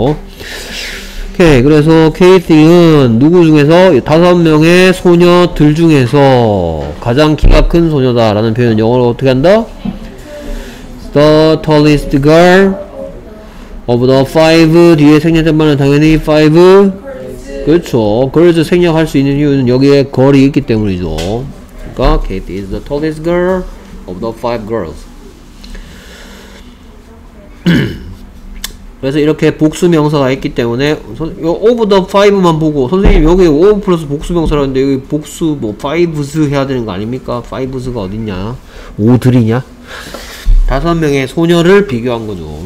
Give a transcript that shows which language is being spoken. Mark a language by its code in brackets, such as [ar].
[ko] 오케이. 그래서 KT은 누구 중에서 다섯 명의 소녀들 중에서 가장 키가 큰 소녀다 라는 표현 영어로 어떻게 한다? [en] The tallest girl of the five. [ko] 뒤에 생략 전반은 당연히 five. 그렇죠. 그래서 생략할 수 있는 이유는 여기에 걸이 있기 때문이죠. 그러니까 [en] Kate is the tallest girl of the five girls. [ko] 그래서 이렇게 복수명사가 있기 때문에 of the 5만 보고 선생님 여기 of 플러스 복수명사라는데 여기 복수 뭐 5s 해야 되는 거 아닙니까? 5s가 어딨냐? 5들이냐? 다섯 명의 소녀를 비교한 거죠.